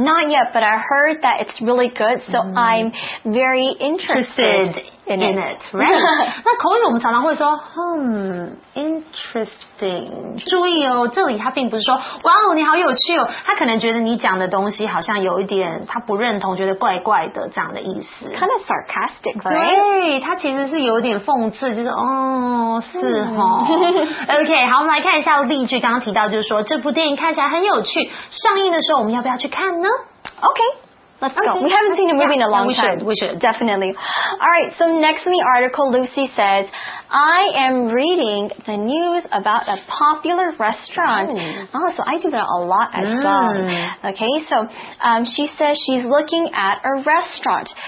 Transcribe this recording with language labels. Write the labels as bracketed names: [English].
[English] Not yet, but I heard that it's really good, so I'm very interested in it. Right? [Chinese] 那口语我们常常会说 interesting. 注意哦，这里他并不是说哇哦你好有趣哦，他可能觉得你讲的东西好像有一点他不认同，觉得怪怪的这样的意思。 [English] Kind of sarcastic, right? [Chinese] 对，他其实是有点讽刺，就是哦，是哦。 OK, 好，我们来看一下例句，刚刚提到就是说这部电影看起来很有趣，上映的时候我们要不要去看呢？ [English] OK. Let's go. We haven't seen a movie in a long time. We should. Definitely. All right. So next in the article, Lucy says, I am reading the news about a popular restaurant. Oh, so I do that a lot as well. Okay. So she says she's looking at a restaurant.